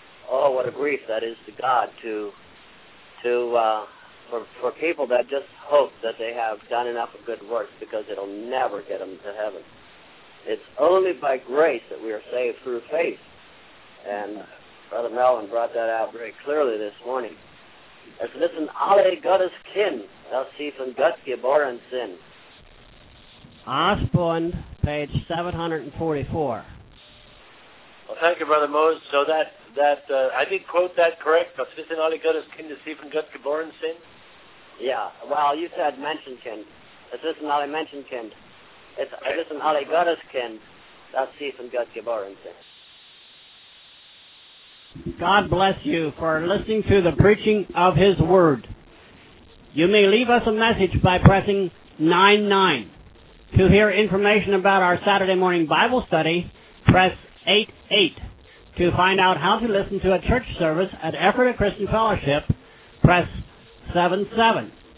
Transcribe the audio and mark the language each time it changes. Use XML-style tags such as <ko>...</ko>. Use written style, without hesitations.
<en>Oh, what a grief that is to God for people that just hope that they have done enough of good works, because it'll never get them to heaven. It's only by grace that we are saved through faith, and Brother Melvin brought that out very clearly this morning.</en> <de>Es wissen alle Gottes Kind, dass sie von Gott geboren sind.</de> <en>Osborne, page 744. Well, thank you, Brother Mose. So I did quote that correct.</en> <de>Es wissen alle Gottes Kind, dass sie von Gott geboren sind.</de> <en>Yeah. Well, you said Menschenkind.</en> <de>Es wissen alle Menschenkind. Es wissen alle Gottes Kind, dass sie von Gott geboren sind.</de> <en>God bless you for listening to the preaching of His Word. You may leave us a message by pressing 99. To hear information about our Saturday morning Bible study, press 88. To find out how to listen to a church service at Ephrata Christian Fellowship, press 77.</en>